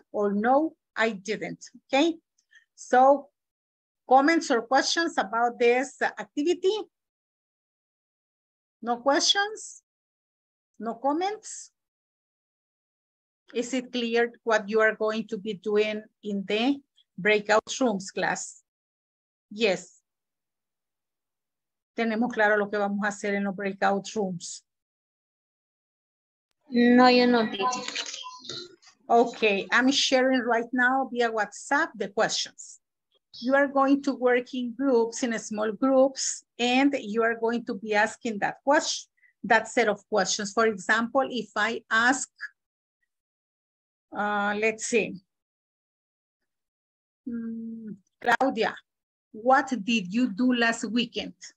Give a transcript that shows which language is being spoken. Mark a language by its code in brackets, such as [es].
[en] Or no, I didn't, okay? So comments or questions about this activity? No questions? No comments? Is it clear what you are going to be doing in the breakout rooms class? Yes. [es] ¿Tenemos claro lo que vamos a hacer en los breakout rooms? [en] No, you know, teacher. Okay, I'm sharing right now via WhatsApp the questions. You are going to work in groups, in small groups, and you are going to be asking that question, that set of questions. For example, if I ask, let's see, Claudia, what did you do last weekend?